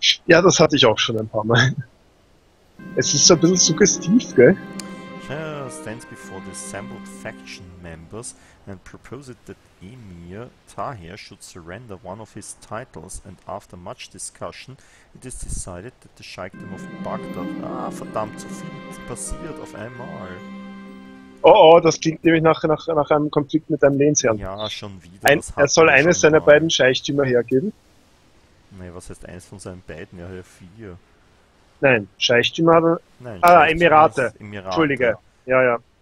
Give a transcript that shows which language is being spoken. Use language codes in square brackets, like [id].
[de] Ja, das hatte ich auch schon ein paar Mal. Es ist so ein bisschen suggestiv, gell? [en] Sheikh stands before the assembled faction members and proposes that Emir Tahir should surrender one of his titles and after much discussion it is decided that the Sheikhdom of Baghdad... [de] Ah, verdammt, so viel passiert auf einmal. Oh, das klingt nämlich nach einem Konflikt mit einem Lehnsherrn. Ja, schon wieder. Er soll eines seiner beiden Scheichtümer hergeben. Nee, was heißt eines von seinen beiden? Er hat ja vier. Nein, Scheichtümer hat er... Nein, Scheichtümer Emirate. Entschuldige. Ja.